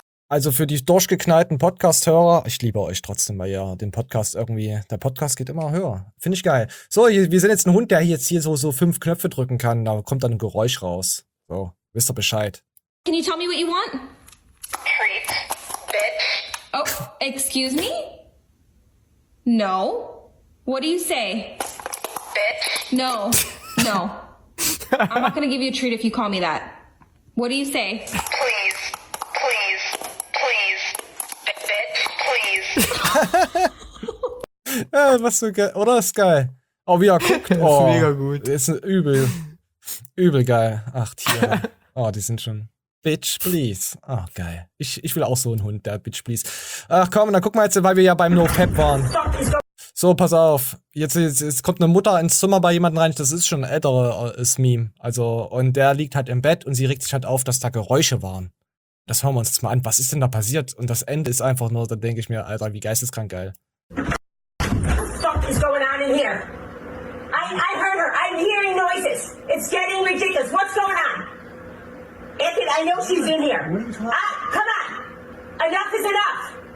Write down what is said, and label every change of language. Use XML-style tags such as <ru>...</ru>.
<de>Also für die durchgeknallten Podcast-Hörer, ich liebe euch trotzdem, weil ja den Podcast irgendwie, der Podcast geht immer höher. Finde ich geil. So, wir sind jetzt ein Hund, der jetzt hier so fünf Knöpfe drücken kann. Da kommt dann ein Geräusch raus. So, wisst ihr Bescheid.</de> <en>Can you tell me what you want? Freak. Bitch. Oh, excuse me? No. What do you say? No, no. I'm not gonna give you a treat if you call me that. What do you say? Please, please, please, bitch, please.</en> <de>Ja, was so geil, oder? Ist geil. Oh, wie er guckt. Oh, ist mega gut. Ist übel. Übel geil. Ach, Tiere. Oh, die sind schon.</de> <en>Bitch, please.</en> <de>Oh, geil. Ich will auch so einen Hund, der</de> <en>Bitch, please.</en> <de>Ach, komm, dann guck mal jetzt, weil wir ja beim No-Pep waren. So, pass auf. Jetzt kommt eine Mutter ins Zimmer bei jemandem rein. Das ist schon ein älteres Meme. Also, und der liegt halt im Bett und sie regt sich halt auf, dass da Geräusche waren. Das hören wir uns jetzt mal an. Was ist denn da passiert? Und das Ende ist einfach nur, da denke ich mir, Alter, wie geisteskrank geil.</de> <en>What the fuck is going on in here? I heard her. I'm hearing noises. It's getting ridiculous. What's going on? Anthony, I know she's in here. Ah, come on. Enough is enough.</en>